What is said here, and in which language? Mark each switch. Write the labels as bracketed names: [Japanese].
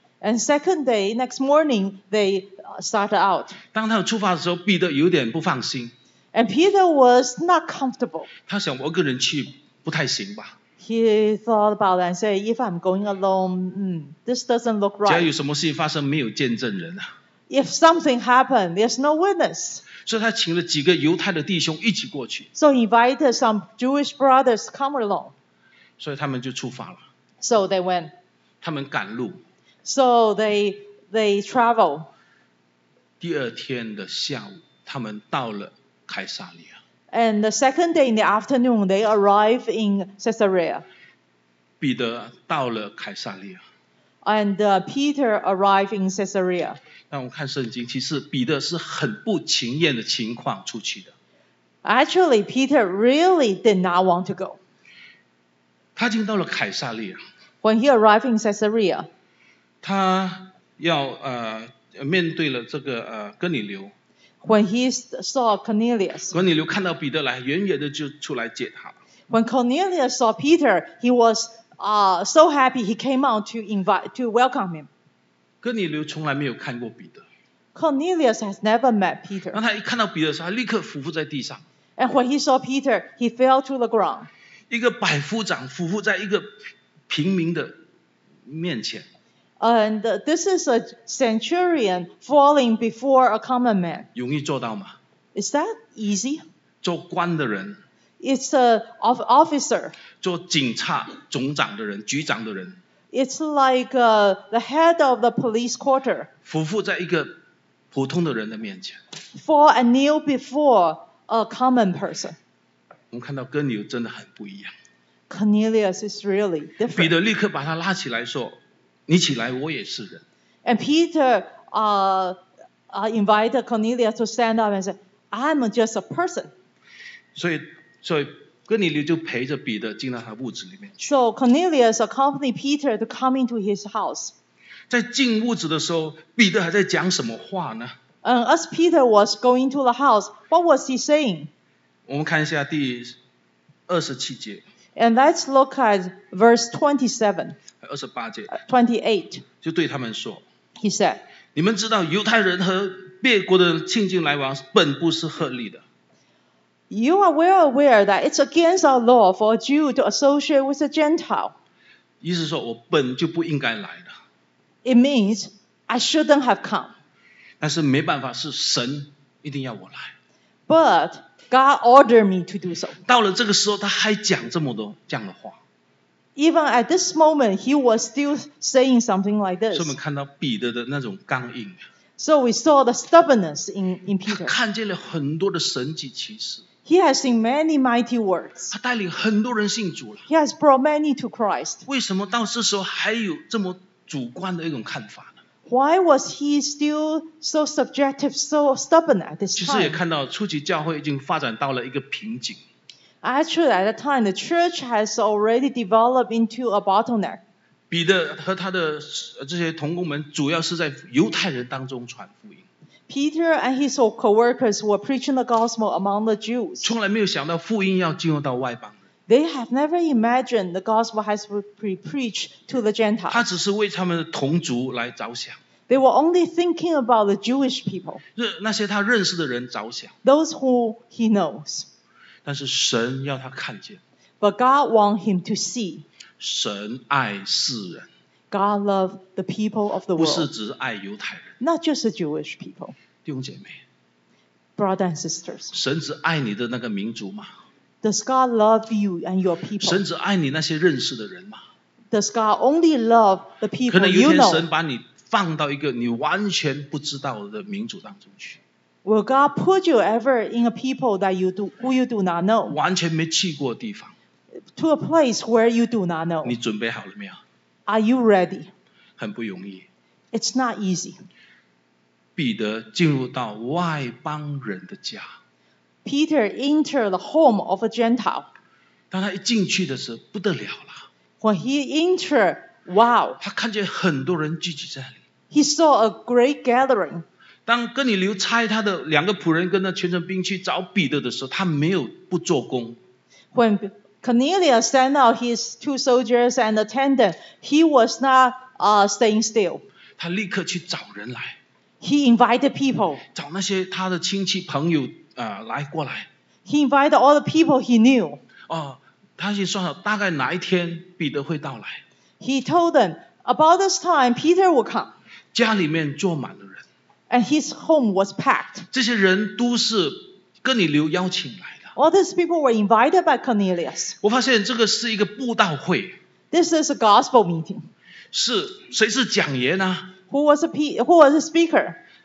[English] And second day, next morning, they started out. [Chinese] 当他们出发的时候，彼得有点不放心。 [English] And Peter was not comfortable. [Chinese] 他想我个人去不太行吧。 [English] He thought about it and said, if I'm going alone, this doesn't look right. [Chinese] 只要有什么事情发生，没有见证人啊。 [English] If something happened, there's no witness. [Chinese] 所以他请了几个犹太的弟兄一起过去。 [English] So he invited some Jewish brothers to come along. [Chinese] 所以他们就出发了。 [English] So they went. [Chinese] 他们赶路。 [English] So they travel. [Chinese] 第二天的下午，他们到了凯撒利亚。 [English] And the second day in the afternoon, they arrive in Caesarea. [Chinese] 彼得到了凯撒利亚。 [English] And Peter arrived in Caesarea. [Chinese] 那我们看圣经，其实彼得是很不情愿的情况出去的。 [English] Actually, Peter really did not want to go. [Chinese] 他已经到了凯撒利亚。 [English] When he arrived in Caesarea, [Chinese] 他要面对了这个哥尼流。 [English] When he saw Cornelius, [Chinese] 哥尼流看到彼得来，远远的就出来接他。 [English] When Cornelius saw Peter, he was so happy he came out to welcome him. [Chinese] 哥尼流从来没有看过彼得。 [English] Cornelius has never met Peter. [Chinese] 当他一看到彼得的时候，他立刻伏伏在地上。 [English] And when he saw Peter, he fell to the ground. [Chinese] 一个百夫长伏伏在一个平民的面前。 [English] And this is a centurion falling before a common man. [Chinese] 容易做到吗？ [English] Is that easy? [Chinese] 做官的人。 [English] It's an officer. [Chinese] 做警察总长的人，局长的人。 [English] It's like the head of the police quarter. [Chinese] 伏伏在一个普通的人的面前。 [English] For a kneel before a common person. [Chinese] 我们看到哥尼流真的很不一样。 [English] Cornelius is really different. [Chinese] 彼得立刻把他拉起来说，你起来，我也是人。 [English] And Peter invited Cornelius to stand up and say, I'm just a person. [Chinese] 所以哥尼流就陪着彼得进到他屋子里面去。 [English] So Cornelius accompanied Peter to come into his house. [Chinese] 在进屋子的时候，彼得还在讲什么话呢？ [English] As Peter was going to the house, what was he saying? [Chinese] 我们看一下第27节。 [English] And let's look at verse 27. [Chinese] 28节。 [English] 28. [Chinese] 就对他们说。 [English] He said, [Chinese] 你们知道犹太人和列国的亲近来往本不是合理的。 [English] You are well aware that it's against our law for a Jew to associate with a Gentile. [Chinese] 意思说我本就不应该来的。 [English] It means I shouldn't have come. [Chinese] 但是没办法，是神一定要我来。 [English] But God ordered me to do so. [Chinese] 到了这个时候，他还讲这么多这样的话。 [English] Even at this moment, he was still saying something like this. [Chinese] 所以我们看到彼得的那种刚硬。 [English] So we saw the stubbornness in Peter. [Chinese] 他看见了很多的神迹奇事。 [English] He has seen many mighty works. [Chinese] 他带领很多人信主了。 [English] He has brought many to Christ. [Chinese] 为什么到这时候还有这么主观的一种看法呢？ [English] Why was he still so subjective, so stubborn at this time? [Chinese] 其实也看到初期教会已经发展到了一个瓶颈。 [English] Actually, at the time, the church has already developed into a bottleneck. [Chinese] 彼得和他的这些同工们主要是在犹太人当中传福音。 [English] Peter and his co-workers were preaching the gospel among the Jews. [Chinese] 从来没有想到福音要进入到外邦。 [English] They have never imagined the gospel has been preached to the Gentiles. [Chinese] 他只是为他们的同族来着想。 [English] They were only thinking about the Jewish people. [Chinese] 那些他认识的人着想。 [English] Those who he knows. [Chinese] 但是神要他看见。 [English] But God want him to see. [Chinese] 神爱世人。 [English] God love the people of the world. [Chinese] 不是只是爱犹太人。 [English] Not just the Jewish people. [Chinese] 弟兄姐妹。 [English] Brothers and sisters. [Chinese] 神只爱你的那个民族吗？ [English] Does God love you and your people? [Chinese] 神只爱你那些认识的人吗？ [English] Does God only love the people you know? [Chinese] 可能有天神把你放到一个你完全不知道的民族当中去。 [English] Will God put you ever in a people that you do not know? [Chinese] 完全没去过的地方。 [English] To a place where you do not know. [Chinese] 你准备好了没有？ [English] Are you ready? [Chinese] 很不容易。 [English] It's not easy. [Chinese] 彼得进入到外邦人的家。 [English] Peter entered the home of a Gentile. [Chinese] 当他一进去的时候，不得了了。 [English] When he entered, wow. [Chinese] 他看见很多人聚集在那里。 [English] He saw a great gathering. [Chinese] 当哥尼流差他的两个仆人跟那全城兵去找彼得的时候，他没有不做工。 [English] When Cornelius sent out his two soldiers and attendant, he was not staying still. [Chinese] 他立刻去找人来。 [English] He invited people. [Chinese] 找那些他的亲戚朋友。来过来。 [English] He invited all the people he knew. [Chinese] 他已经算好大概哪一天彼得会到来。 [English] He told them, about this time, Peter will come. [Chinese] 家里面坐满了人。 [English] And his home was packed. [Chinese] 这些人都是哥尼流邀请来的。 [English] All these people were invited by Cornelius. [Chinese] 我发现这个是一个布道会。 [English] This is a gospel meeting. [Chinese] 是谁是讲员呢？ [English] Who was the speaker?